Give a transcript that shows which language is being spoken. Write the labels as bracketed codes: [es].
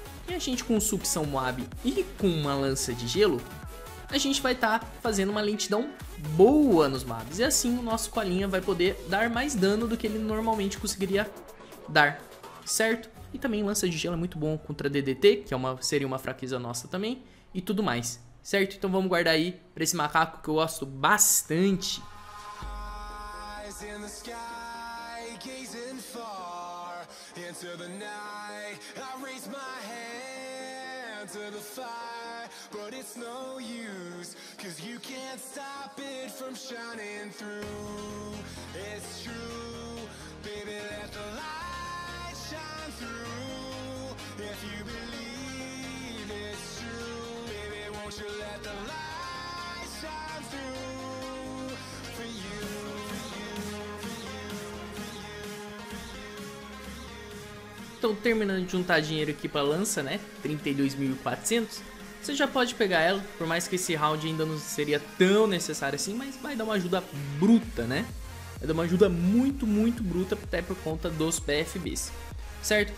[pt] E a gente com o Sucção Moab e com uma lança de gelo, a gente vai estar fazendo uma lentidão boa nos Moabs. E assim o nosso Colinha vai poder dar mais dano do que ele normalmente conseguiria dar, certo? E também lança de gelo é muito bom contra DDT, que é seria uma fraqueza nossa também, e tudo mais, certo? Então vamos guardar aí pra esse macaco que eu gosto bastante. [en] Eyes in the sky, gazing far into the night, I raise my hand to the fire, but it's no use, cause you can't stop it from shining through. It's true, baby, let the light shine through. If you believe it's true, baby, won't you let the light shine through for you. [pt] Então, terminando de juntar dinheiro aqui pra lança, né? 32.400. Você já pode pegar ela, por mais que esse round ainda não seria tão necessário assim, mas vai dar uma ajuda bruta, né? Vai dar uma ajuda muito, muito bruta, até por conta dos PFBs, certo?